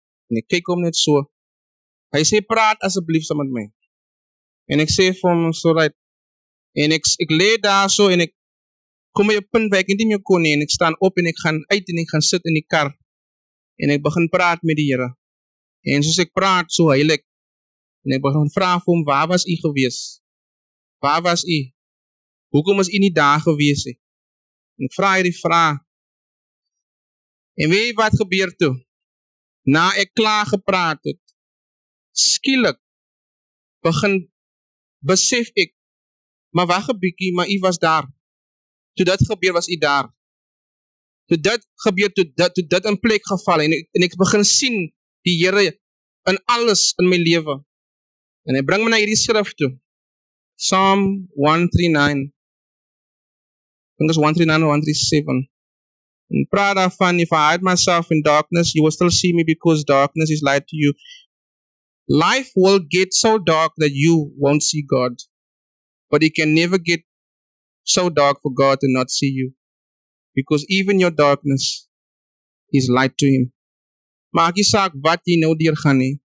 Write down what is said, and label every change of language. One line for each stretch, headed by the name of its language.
Afrikaans: En ek kyk hom net so, hy sê, praat asseblief saam met my, en ek sê vir hom, so right, en ek lê daar so, en ek kom by 'n punt waar ek nie meer kon nie, en ek staan op, en ek gaan uit, en ek gaan sit in die kar, en ek begin praat met die Here, en soos ek praat, so huil ek, en ek begin vra vir hom, waar was u gewees? Waar was u? Hoekom is u nie daar gewees? En ek vra hierdie vraag, en weet wat gebeur toe? Na ek klaar gepraat het, skielik begin besef ek, maar wag 'n bietjie, maar u was daar. Toe dit gebeur, was u daar. Toe dit in plek geval, en ek begin sien die Here in alles in my lewe. En hy bring my na hierdie skrif toe. Psalm 139. Ek dink is 139 of 137. Praat daarvan,
English: if I hide myself in darkness, you will still see me because darkness is light to you. Life will get so dark that you won't see God. But it can never get so dark for God to not see you. Because even your darkness is light to Him.
Afrikaans: Maak nie saak wat jy nou deur gaan nie.